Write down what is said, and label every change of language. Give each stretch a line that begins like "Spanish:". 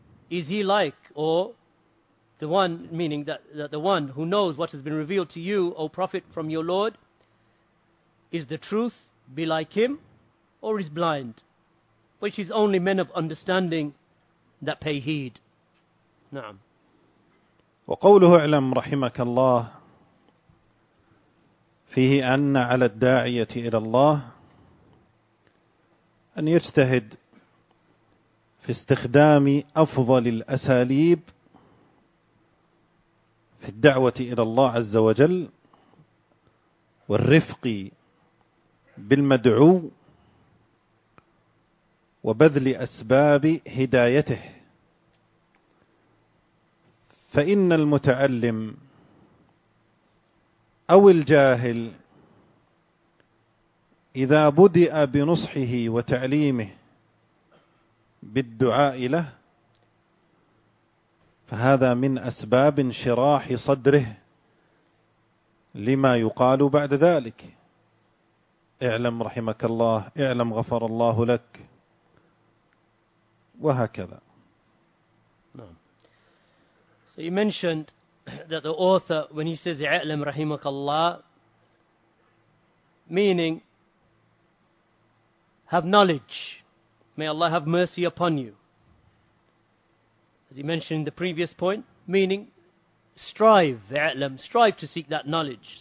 English: is he like, or the one, meaning that the one who knows what has been revealed to you, O Prophet, from your Lord, is the truth, be like him, or is blind, which is only men of understanding that pay heed.
Arabic: Na'am. وقوله اعلم رحمك الله فيه أن على الداعية إلى الله أن يجتهد في استخدام أفضل الأساليب في الدعوة إلى الله عز وجل والرفق بالمدعو وبذل أسباب هدايته. فإن المتعلم أو الجاهل إذا بدأ بنصحه وتعليمه بالدعاء له فهذا من أسباب انشراح صدره لما يقال بعد ذلك: اعلم رحمك الله، اعلم غفر الله لك، وهكذا.
English: He mentioned that the author, when he says
Arabic: "I'lam rahimakallah,"
English: meaning have knowledge, may Allah have mercy upon you, as he mentioned in the previous point, meaning strive to seek that knowledge.